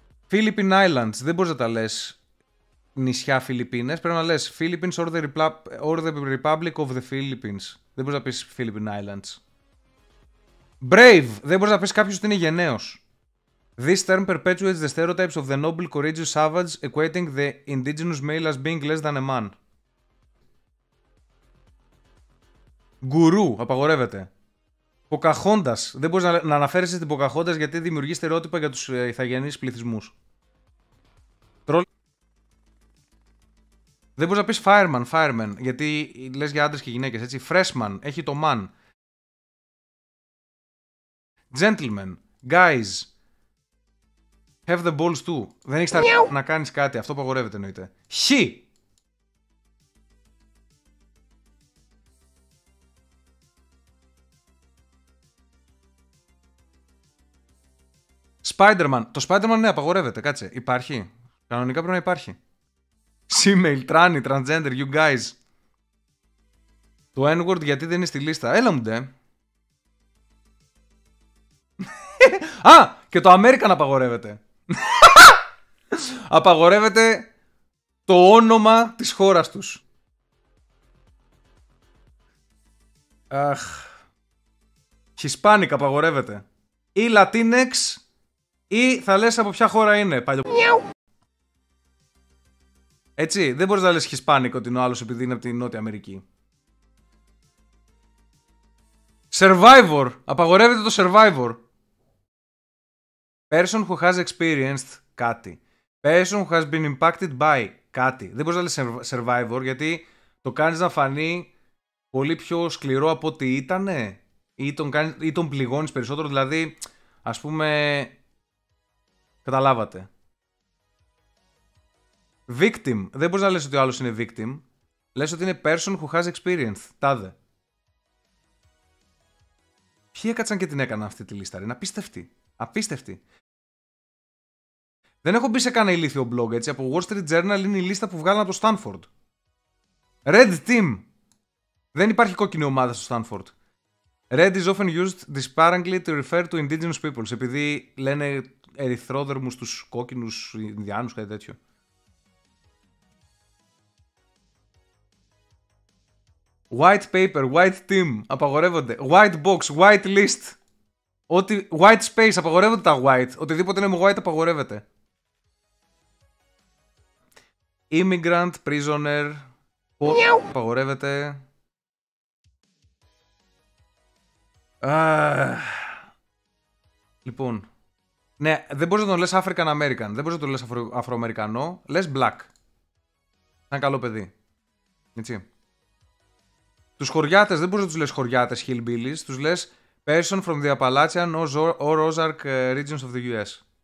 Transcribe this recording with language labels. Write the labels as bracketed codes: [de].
[el] Philippine Islands. Δεν μπορείς να τα λες νησιά Φιλιππίνες, πρέπει να λες [en] Philippines or the Republic of the Philippines. [el] Δεν μπορείς να πεις Philippine Islands. Brave. Δεν μπορείς να πεις κάποιος ότι είναι γενναίος. [en] This term perpetuates the stereotypes of the noble courageous savage equating the indigenous male as being less than a man. [el] Guru. Απαγορεύεται. Ποκαχόντας. Δεν μπορείς να αναφέρεσαι στην Ποκαχόντας γιατί δημιουργεί στερεότυπα για τους ηθαγενείς πληθυσμούς. Δεν μπορείς να πεις fireman, γιατί λες για άντρες και γυναίκες, έτσι. Freshman, έχει το man. [en] Gentlemen, guys, have the balls too. [el] Δεν έχεις να κάνεις κάτι, αυτό απαγορεύεται εννοείται. He! Spider-Man, το Spider-Man ναι, απαγορεύεται, κάτσε. Υπάρχει, κανονικά πρέπει να υπάρχει. [en] Σίμελ, τράνι, transgender, you guys. [el] Το N-word γιατί δεν είναι στη λίστα. Έλα μου ντε. Α, και το American απαγορεύεται. Απαγορεύεται το όνομα της χώρας τους. Αχ. Hispanic απαγορεύεται. Ή Latinx ή θα λες από ποια χώρα είναι. Παλιό. Έτσι, δεν μπορείς να λες Hispanic ότι είναι ο άλλος επειδή είναι από τη Νότια Αμερική. Survivor. Απαγορεύεται το Survivor. [en] Person who has experienced κάτι. Person who has been impacted by κάτι. [el] Δεν μπορείς να λες survivor, γιατί το κάνεις να φανεί πολύ πιο σκληρό από ό,τι ήτανε, ή τον πληγώνεις περισσότερο. Δηλαδή, ας πούμε, καταλάβατε. Victim. Δεν μπορείς να λες ότι ο άλλος είναι victim. Λες ότι είναι [en] person who has experience. [el] Τάδε. Ποιοι έκατσαν και την έκαναν αυτή τη λίστα, ρε. Είναι απίστευτη. Απίστευτη. Δεν έχω μπει σε κανένα ηλίθιο blog, έτσι. Από Wall Street Journal είναι η λίστα που βγάλαν από το Stanford. Red Team. Δεν υπάρχει κόκκινη ομάδα στο Stanford. [en] Red is often used disparagingly to refer to indigenous peoples. [el] Επειδή λένε ερυθρόδερμους τους κόκκινους Ινδιάνους, κάτι τέτοιο. [en] White paper, white team, απαγορεύονται. White box, white list. [el] Ότι, [en] white space, [el] απαγορεύονται τα white. Οτιδήποτε είναι white, απαγορεύεται. [en] Immigrant, prisoner, απαγορεύεται. [el] Λοιπόν. Ναι, δεν μπορείς να τον λες African American. Δεν μπορείς να τον λες Αφροαμερικανό. Λες black. Σαν καλό παιδί. Έτσι. Τους χωριάτες, δεν μπορείς να τους λες χωριάτες, hillbillies. [en] Τους λες person from the Appalachian or Ozark regions of the US.